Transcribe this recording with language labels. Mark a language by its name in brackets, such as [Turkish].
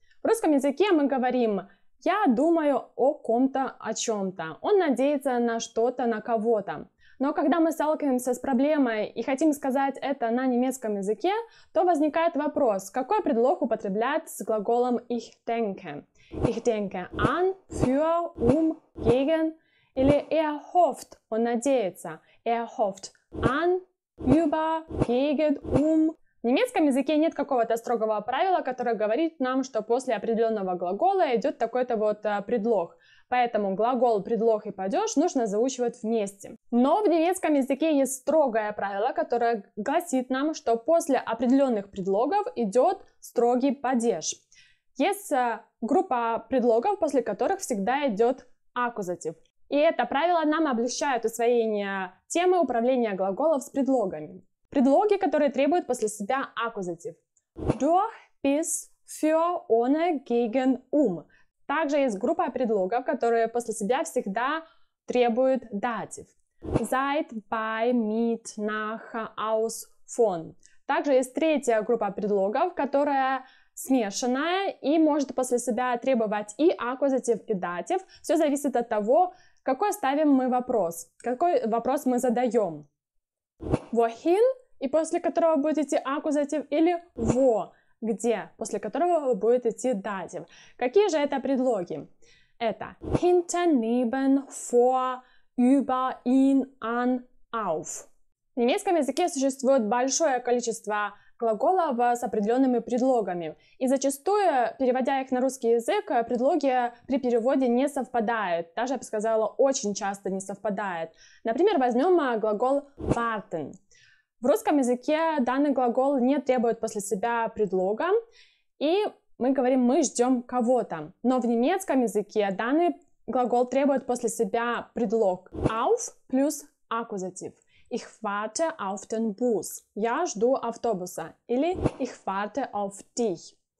[Russian] В русском языке мы говорим «я думаю о ком-то, о чем-то», «он надеется на что-то, на кого-то». Но когда мы сталкиваемся с проблемой и хотим сказать это на немецком языке, то возникает вопрос, какой предлог употреблять с глаголом ich denke? [German] Ich denke an, für, gegen [Russian] или [German] hofft, [Russian] он надеется. [German] Hofft an, über, gegen, [Russian] В немецком языке нет какого-то строгого правила, которое говорит нам, что после определенного глагола идет такой-то вот предлог. Поэтому глагол, предлог и падеж нужно заучивать вместе. Но в немецком языке есть строгое правило, которое гласит нам, что после определенных предлогов идет строгий падеж. Есть группа предлогов, после которых всегда идет аккузатив. И это правило нам облегчает усвоение темы управления глаголов с предлогами. Предлоги, которые требуют после себя аккузатив. [German] Durch, bis, für, ohne, gegen, [Russian] Также есть группа предлогов, которые после себя всегда требуют датив. [German] Seit, bei, mit, nach, aus, von. [Russian] Также есть третья группа предлогов, которая смешанная и может после себя требовать и аккузатив, и датив. Все зависит от того, какой ставим мы вопрос, какой вопрос мы задаем. [German] Wohin, [Russian] и после которого будет идти аккузатив, или wo. Где, после которого будет идти датив. Какие же это предлоги? Это [German] hinter, neben, vor, über, in, an, auf. [Russian] В немецком языке существует большое количество глаголов с определенными предлогами. И зачастую, переводя их на русский язык, предлоги при переводе не совпадают. Даже, я бы сказала, очень часто не совпадают. Например, возьмем глагол warten. В русском языке данный глагол не требует после себя предлога, и мы говорим «мы ждем кого-то». Но в немецком языке данный глагол требует после себя предлог auf плюс аккузатив. [German] Ich warte auf den Bus. [Russian] Я жду автобуса. Или [German] ich warte auf dich.